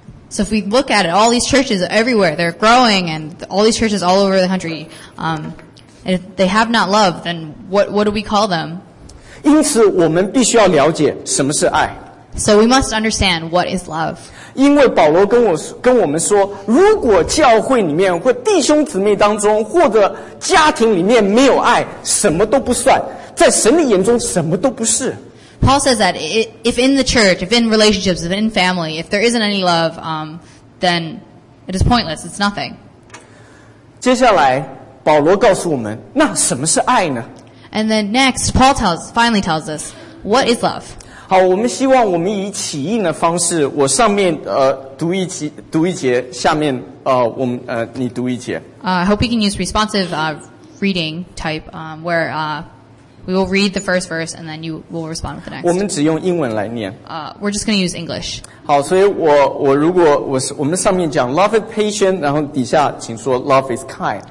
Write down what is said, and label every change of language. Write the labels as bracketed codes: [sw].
[en] So if we look at it, all these churches are everywhere, they're growing, and all these churches all over the country, and if they have not love, then what do we call them? [zh] 因此，我们必须要了解什么是爱。 [en] So we must understand what is love. [zh] 因为保罗跟我们说，如果教会里面或弟兄姊妹当中或者家庭里面没有爱，什么都不算，在神的眼中什么都不是。 [en] Paul says that if in the church, if in relationships, if in family, if there isn't any love, then it is pointless. It's nothing. [zh] 接下来, 保罗告诉我们, 那什么是爱呢? [en] And then next, Paul finally tells us, what is love? [zh] 好,我们希望我们以起印的方式, 我上面读一节,下面你读一节。 [en] I hope you can use responsive reading type, where we will read the first verse and then you will respond with the next. [zh] 我们只用英文来念。 [en] We're just going to use English. [zh] 好,所以我们上面讲, [en] love is patient, [zh] 然后底下请说, [en] love is kind.